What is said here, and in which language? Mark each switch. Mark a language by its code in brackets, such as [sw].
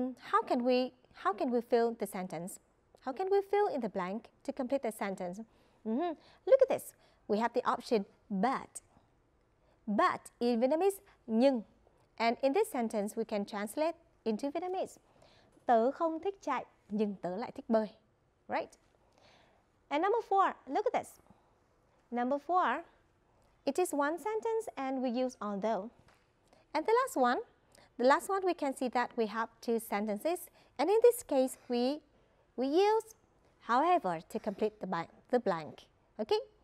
[en] How can we fill the sentence? How can we fill in the blank to complete the sentence? Look at this. We have the option but. But in Vietnamese, nhưng. And in this sentence, we can translate into Vietnamese. [vi] Tớ không thích chạy, nhưng tớ lại thích bơi. [en] Right? And number 4, look at this. Number 4, it is one sentence and we use although. And the last one, we can see that we have two sentences. And in this case, we use however to complete the blank. Okay?